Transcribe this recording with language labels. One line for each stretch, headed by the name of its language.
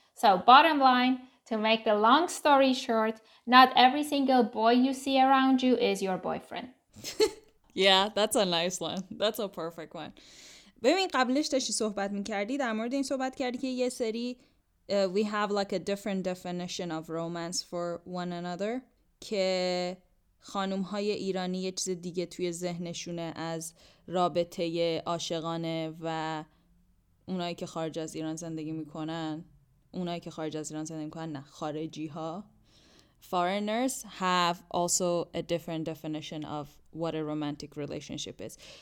English: So bottom line, to make the long story short, not every single boy you see around you is your boyfriend. Yeah, that's a nice one. That's a perfect one.
Persian: ببین قبلش داشتی صحبت میکردی، در مورد این صحبت کردی که یه سری
English: we have like a different definition of romance for one another
Persian: که خانوم های ایرانی یه چیز دیگه توی ذهنشونه از رابطه عاشقانه و اونایی که خارج از ایران زندگی میکنن. اونایی که خارج از ایران زندگی میکنن نه، خارجی ها
English: foreigners have also a different definition of what a romantic relationship is.